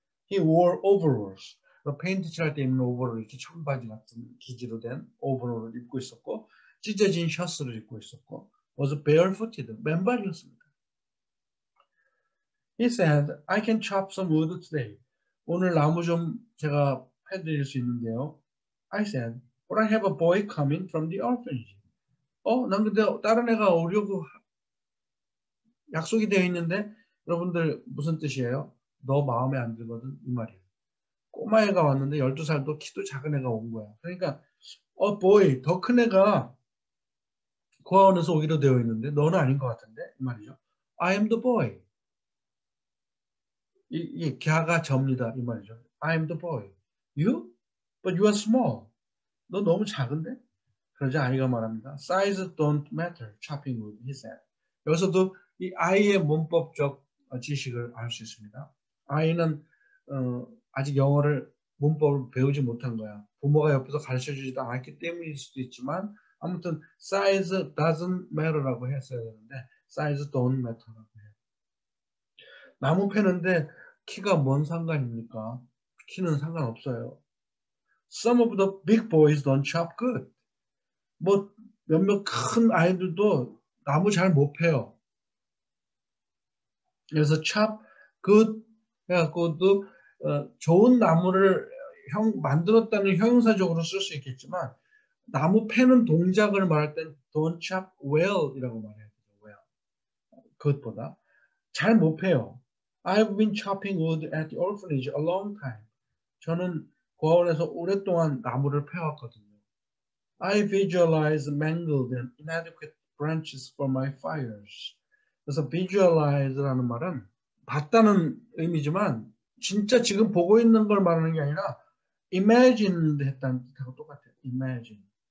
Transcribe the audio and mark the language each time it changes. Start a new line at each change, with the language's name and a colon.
English: He wore overalls.
Korean: 페인트 칠할 때 입는 오버롤, 이렇게 청바지 같은 기지로 된 오버롤을 입고 있었고, 찢어진 셔츠를 입고 있었고,
English: was barefooted.
Korean: 맨발이었습니다.
English: He said, I can chop some wood today.
Korean: 오늘 나무 좀 제가 해드릴 수 있는데요.
English: I said, but I have a boy coming from the orphanage.
Korean: 난 근데 다른 애가 오려고 약속이 되어 있는데, 여러분들 무슨 뜻이에요? 너 마음에 안 들거든, 이 말이에요. 꼬마애가 왔는데 12살도 키도 작은 애가 온 거야. 그러니까 보이 더큰 애가 고아원에서 오기로 되어 있는데 너는 아닌 것 같은데, 이 말이죠.
English: I am the boy.
Korean: 이 갸가 접니다, 이 말이죠.
English: I am the boy. You? But you are small.
Korean: 너 너무 작은데? 그러자 아이가 말합니다.
English: Size don't matter. Chopping wood, he said.
Korean: 여기서도 이 아이의 문법적 지식을 알수 있습니다. 아이는 아직 영어를 문법을 배우지 못한 거야. 부모가 옆에서 가르쳐 주지도 않았기 때문일 수도 있지만, 아무튼
English: size doesn't matter
Korean: 라고 했어야 되는데
English: size don't matter
Korean: 라고 해요. 나무 패는데 키가 뭔 상관입니까? 키는 상관없어요.
English: Some of the big boys don't chop good.
Korean: 뭐 몇몇 큰 아이들도 나무 잘못 패요. 그래서
English: chop good
Korean: 해갖고도 좋은 나무를 만들었다는 형용사적으로 쓸수 있겠지만, 나무 패는 동작을 말할 땐
English: don't chop well
Korean: 이라고 말해야 되고요. 그것보다 잘못 패요.
English: I've been chopping wood at the orphanage a long time.
Korean: 저는 고아원에서 오랫동안 나무를 패왔거든요.
English: I visualize mangled and inadequate branches for my fires.
Korean: 그래서 visualize라는 말은 봤다는 의미지만, 진짜 지금 보고 있는 걸 말하는 게 아니라 imagine 했다는 뜻하고 똑같아요. Imagine.